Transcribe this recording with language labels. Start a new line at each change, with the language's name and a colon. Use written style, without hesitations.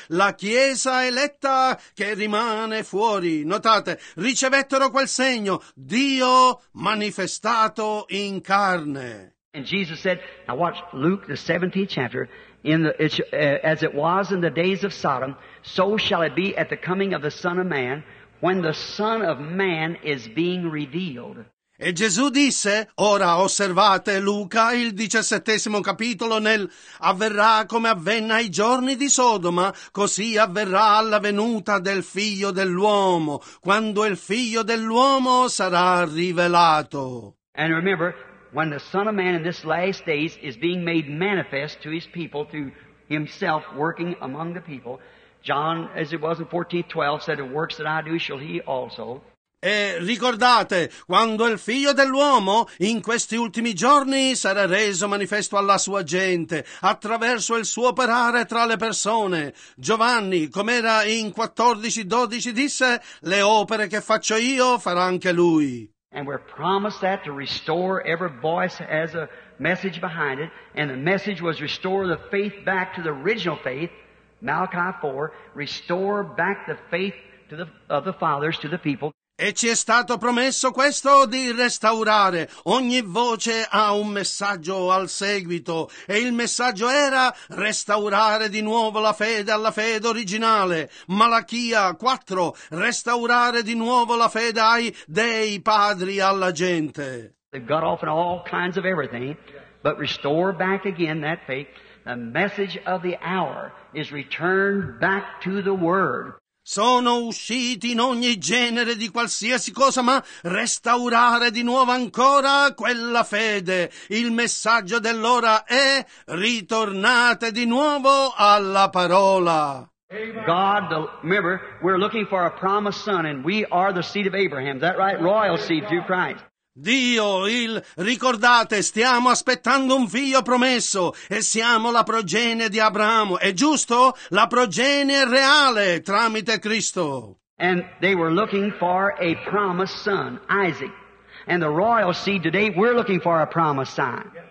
Italian: La chiesa eletta che rimane fuori. Notate, ricevettero quel segno. Dio manifestato in carne.
English: And Jesus said, now watch Luke, the 17th chapter. As it was in the days of Sodom, so shall it be at the coming of the Son of Man, when the Son of Man is being revealed.
Italian: E Gesù disse, ora osservate Luca, il 17° capitolo, nel avverrà come avvenne ai giorni di Sodoma, così avverrà alla venuta del Figlio dell'uomo, quando il Figlio dell'uomo sarà rivelato.
English: And remember, when the Son of Man in this last days is being made manifest to his people through himself working among the people, John, as it was in 14:12, said, the works that I do shall he also.
Italian: E ricordate, quando il Figlio dell'uomo in questi ultimi giorni sarà reso manifesto alla sua gente attraverso il suo operare tra le persone. Giovanni, com'era in 14:12, disse, le opere che faccio io farà anche lui.
English: And we're promised that to restore every voice has a message behind it. And the message was restore the faith back to the original faith, Malachi 4, restore back the faith to the, of the fathers to the people.
Italian: E ci è stato promesso questo di restaurare. Ogni voce ha un messaggio al seguito. E il messaggio era restaurare di nuovo la fede alla fede originale. Malachia 4, restaurare di nuovo la fede ai dei padri, alla gente.
English: They've got off in all kinds of everything, but restore back again that faith. The message of the hour is returned back to the Word.
Italian: Sono usciti in ogni genere di qualsiasi cosa, ma restaurare di nuovo ancora quella fede. Il messaggio dell'ora è ritornate di nuovo alla parola.
English: God, remember, we're looking for a promised son and we are the seed of Abraham. Is that right? Royal seed through Christ.
Italian: Dio, ricordate, stiamo aspettando un figlio promesso e siamo la progenie di Abramo. È giusto? La progenie reale tramite Cristo.
English: And they were looking for a promised son, Isaac. And the royal seed today, we're looking for a promised son.